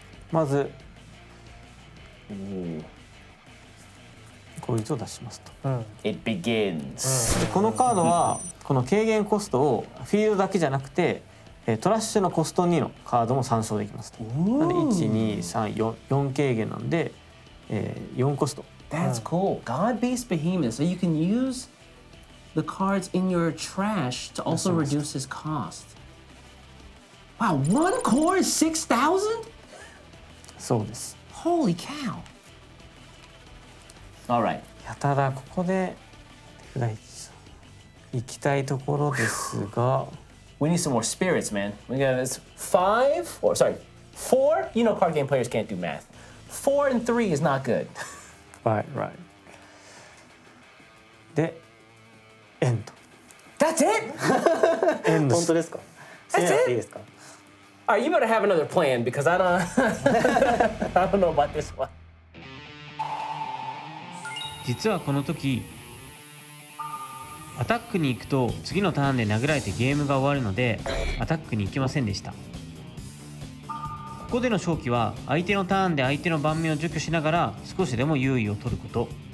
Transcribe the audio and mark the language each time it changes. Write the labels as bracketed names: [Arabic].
[Japanese] まず、こいつを出しますと、 [English] うん、It begins. [Japanese] で、このカードは、この軽減コストをフィールドだけじゃなくてトラッシュのコスト2のカードも参照できますと。なので1、2、3、4、4軽減なんで、4コスト。 [English] That's cool. God Beast Behemoth. So you can use the cards in your trash to also reduce his cost. Wow, one core is 6,000? [Japanese] そうです。 [English] Holy cow! All right. [Japanese] やたらここで手札行きたいところですが。 [English] We need some more spirits, man. We got this five, or sorry, four. You know, card game players can't do math. Four and three is not good. Right, right. [Japanese] で、エンド。 [English] That's it? [Japanese] エンド。本当ですか？ [English] That's it? [Japanese] いいですか？ [English] All right, you better have another plan because I don't know about this one. [Japanese] 実はこの時アタックに行くと次のターンで殴られてゲームが終わるのでアタックに行けませんでした。ここでの勝機は相手のターンで相手の盤面を除去しながら少しでも優位を取ること。